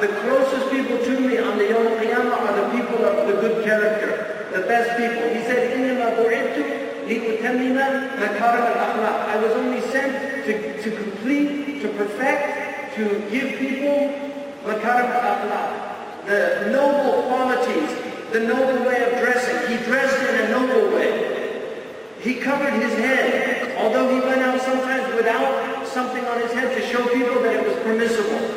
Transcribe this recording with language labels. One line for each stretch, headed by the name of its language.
English: The closest people to me on the
Arabic: يَوْمَ الْقِيَامَةِ
English: are the people of the good character. The best people. He said,
Arabic: إِنَّمَا بُعِدْتُ لِتُتَمِّمَ مَكَارِمَ الْأَخْلَاقِ.
English: I was only sent to complete, to perfect, to give people
Arabic: مَكَارِمَ الْأَخْلَاقِ.
English: The noble qualities, the noble way of dressing. He dressed in a noble way. He covered his head, although he went out sometimes without something on his head to show people that it was permissible.